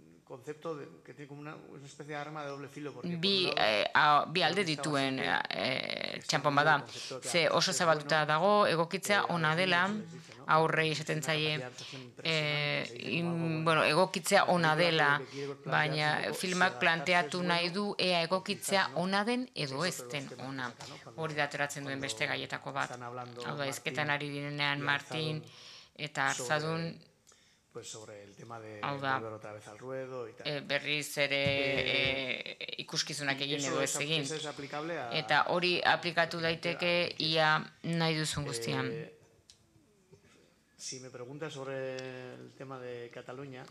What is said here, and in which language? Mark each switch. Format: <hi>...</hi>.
<es>concepto de, que tiene como una especie de arma de doble filo</es> <eu>bi alde dituen txampon bada. Ze oso zabalduta dago egokitzea ona dela aurrei esaten zaie egokitzea ona dela, baina filmak planteatu nahi du ea egokitzea ona den edo ez den ona. Hori da ateratzen duen beste gaietako bat. Hau da, hizketan ari direnean Martin eta Arzadun</eu> <es>sobre el tema de volver otra vez al ruedo y tal.</es> <eu>Berriz ere ikuskizunak egin edo ez egin. Eta hori aplikatu daiteke ia nahi duzun guztian.</eu> <es>Si me preguntas sobre el tema de Cataluña.</es>